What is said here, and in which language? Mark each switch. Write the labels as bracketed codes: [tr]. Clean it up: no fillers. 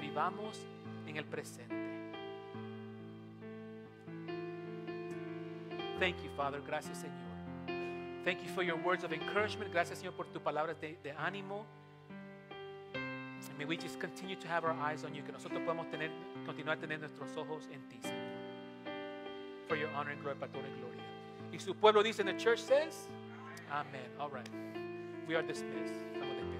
[es] Vivamos en el presente. [en] Thank you, Father. [es] Gracias, Señor. [en] Thank you for your words of encouragement. [es] Gracias, Señor, por tus palabras de ánimo. [en] And may we just continue to have our eyes on you. [es] Que nosotros podamos continuar tener nuestros ojos en ti, Señor. [en] For your honor and glory, [es] para tu honor y gloria. Y su pueblo dice, [en] and the church says, amen. All right. We are dismissed.